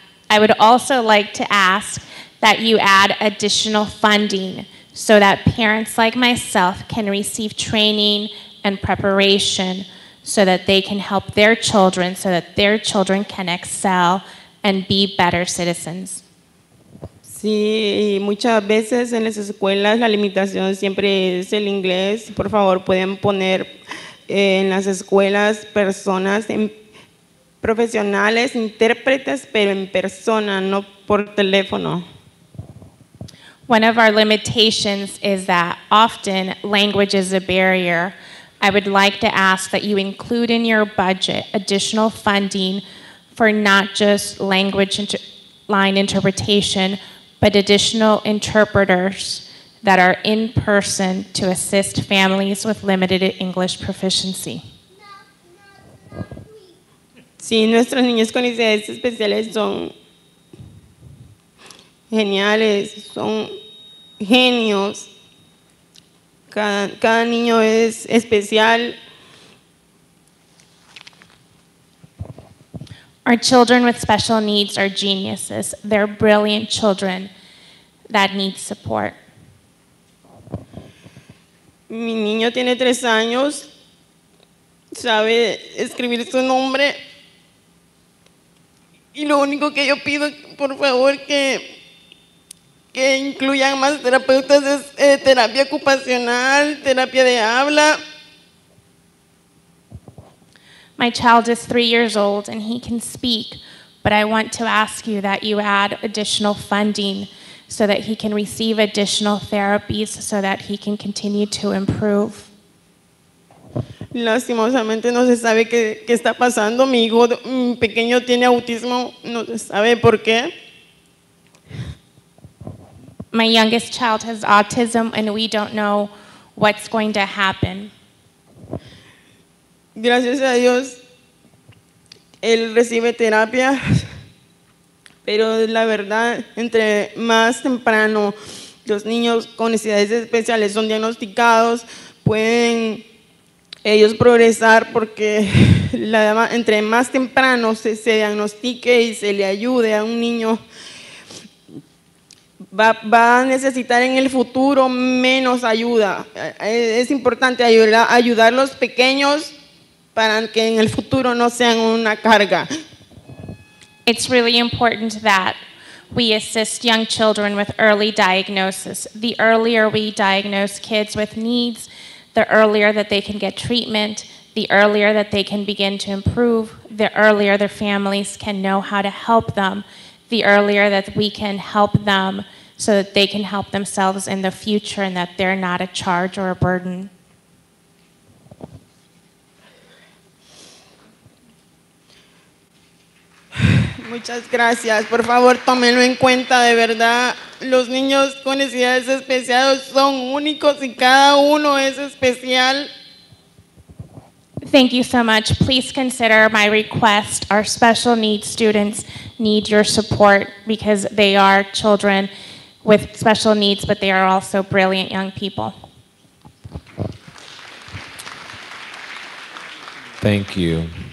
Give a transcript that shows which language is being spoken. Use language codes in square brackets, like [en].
[en] I would also like to ask that you add additional funding so that parents like myself can receive training and preparation so that they can help their children, so that their children can excel and be better citizens. [es] Sí, muchas veces en las escuelas la limitación siempre es el inglés. Por favor, pueden poner en las escuelas personas profesionales, intérpretes, pero en persona, no por teléfono. [en] One of our limitations is that often language is a barrier. I would like to ask that you include in your budget additional funding for not just language line interpretation, but additional interpreters that are in person to assist families with limited English proficiency. [es] Sí, nuestros niños con necesidades especiales son geniales, son genios. Cada niño es especial. [en] Our children with special needs are geniuses. They're brilliant children that need support. [es] Mi niño tiene 3 años. Sabe escribir su nombre. Y lo único que yo pido, por favor, que incluyan más terapeutas es terapia ocupacional, terapia de habla. [en] My child is 3 years old and he can speak, but I want to ask you that you add additional funding so that he can receive additional therapies so that he can continue to improve. [es] Lastimosamente no se sabe qué está pasando. Mi hijo pequeño tiene autismo. No se sabe por qué. [en] My youngest child has autism and we don't know what's going to happen. [es] Gracias a Dios, él recibe terapia, pero la verdad, entre más temprano los niños con necesidades especiales son diagnosticados, pueden ellos progresar porque entre más temprano se diagnostique y se le ayude a un niño, va a necesitar en el futuro menos ayuda. Es importante ayudar a los pequeños para que en el futuro no sean una carga. [en] It's really important that we assist young children with early diagnosis. The earlier we diagnose kids with needs, the earlier that they can get treatment, the earlier that they can begin to improve, the earlier their families can know how to help them, the earlier that we can help them so that they can help themselves in the future and that they're not a charge or a burden. [es] Muchas gracias. Por favor, tómenlo en cuenta de verdad. Los niños con necesidades especiales son únicos y cada uno es especial. [en] Thank you so much. Please consider my request. Our special needs students need your support because they are children with special needs, but they are also brilliant young people. Thank you.